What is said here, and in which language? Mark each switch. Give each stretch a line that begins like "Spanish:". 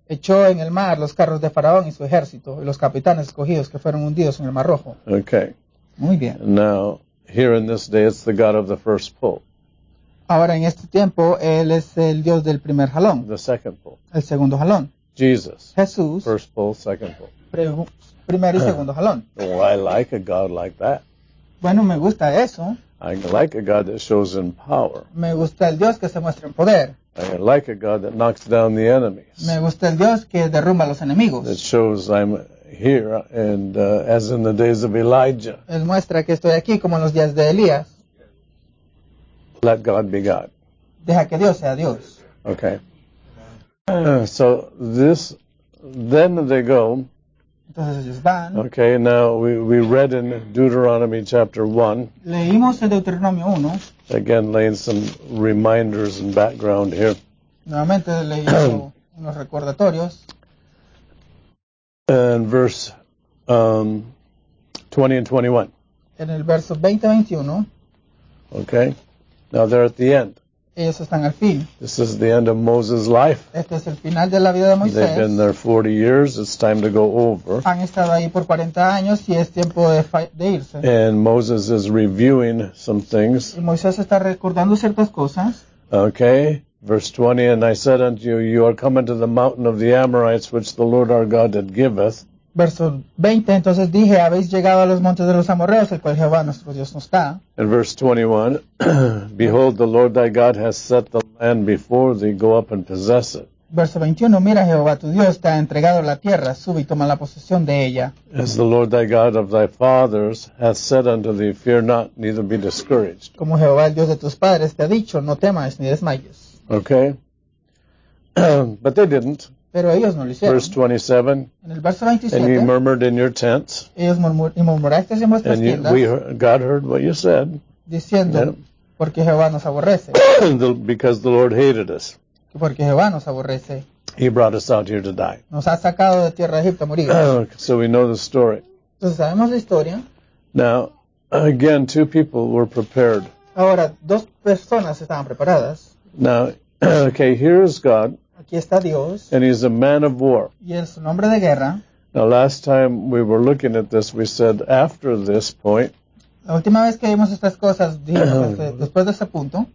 Spanish: Echó en el mar los carros de Faraón y su ejército y los capitanes escogidos que fueron hundidos en el Mar Rojo.
English: Okay.
Spanish: Muy bien.
English: Now here in this day, it's the God of the first pull.
Spanish: Ahora en este tiempo, él es el Dios del primer jalón.
English: The second pull.
Spanish: El segundo jalón.
English: Jesus.
Spanish: Jesús.
English: First pull, second pull.
Spanish: Primer y segundo jalón.
English: Oh, I like a God like that.
Spanish: Bueno, me gusta eso.
English: I like a God that shows in power.
Spanish: Me gusta el Dios que se muestra en poder.
English: I like a God that knocks down the enemies.
Spanish: Me gusta el Dios que derrumba los enemigos.
English: That shows I'm here and as in the days of Elijah.
Spanish: Él muestra que estoy aquí como en los días de Elías.
English: Let God be God.
Spanish: Deja que Dios sea Dios.
English: Okay. So this, then they go.
Spanish: Entonces ellos van.
English: Okay, now we read in Deuteronomy chapter 1.
Spanish: Leímos en Deuteronomio 1.
English: Again, laying some reminders and background here.
Spanish: Nuevamente leímos unos recordatorios.
English: And verse 20 and 21.
Spanish: En el verso 20 y 21.
English: Okay. Now they're at the end.
Spanish: Ellos están al fin.
English: This is the end of Moses' life.
Spanish: Este es el final de la vida de Moisés.
English: They've been there 40 years. It's time to go over.
Spanish: Han estado ahí por 40 años y es tiempo de irse.
English: And Moses is reviewing some things.
Spanish: Y Moisés está recordando ciertas cosas.
English: Okay.
Spanish: Verse 20, and I said unto you, you are coming to the mountain of the Amorites, which the Lord our God had giveth.
English: Verso 20, entonces dije, habéis llegado a los montes de los Amorreos, el cual Jehová nuestro Dios nos da.
Spanish: And verse 21, behold, the Lord thy God has set the land before thee, go up and possess it.
English: Verso 21, mira, Jehová tu Dios te ha entregado la tierra, sube y toma la posesión de ella.
Spanish: As the Lord thy God of thy fathers hath said unto thee, fear not, neither be discouraged.
English: Como Jehová el Dios de tus padres te ha dicho, no temas ni desmayes.
Spanish: Okay, but they didn't.
English: Pero ellos no lo hicieron.
Spanish: Verse 27.
English: En el verso 27.
Spanish: And you murmured in your tents.
English: Ellos murmuraste en vuestras
Spanish: tiendas. And God heard what you said.
English: Diciendo, yeah. Porque Jehová nos aborrece.
Spanish: Because the Lord hated us.
English: Porque Jehová nos aborrece.
Spanish: He brought us out here to die.
English: Nos ha sacado de tierra de Egipto a morir.
Spanish: So we know the story.
English: Entonces sabemos la historia.
Spanish: Now, again, two people were prepared.
English: Ahora, dos personas estaban preparadas.
Spanish: Now, okay, here is God.
English: Aquí está Dios.
Spanish: And he's a man of war.
English: Y es un hombre de guerra.
Spanish: Now, last time we were looking at this, we said after this point.
English: La última vez que vimos estas cosas, después de ese punto.